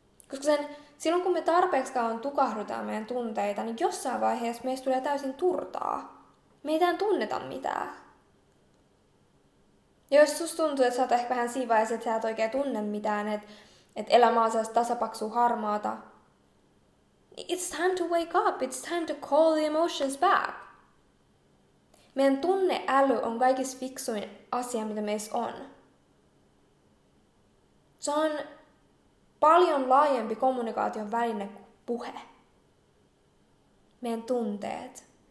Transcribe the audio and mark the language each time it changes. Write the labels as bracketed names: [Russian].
[Finnish] Koska silloin kun me tarpeeksi kauan tukahdutaan meidän tunteita, niin jossain vaiheessa meistä tulee täysin turtaa. Me ei tämän tunneta mitään. Ja jos susta tuntuu, että sä oot ehkä vähän siinä vaiheessa, että sä et oikein tunne mitään, että elämä on sellaista tasapaksua harmaata, it's time to wake up. [English] It's time to call the emotions back. [Finnish] Meidän tunneäly on kaikista fiksuin asia, mitä meissä on. Se on paljon laajempi kommunikaation väline kuin puhe. Meidän tunteet.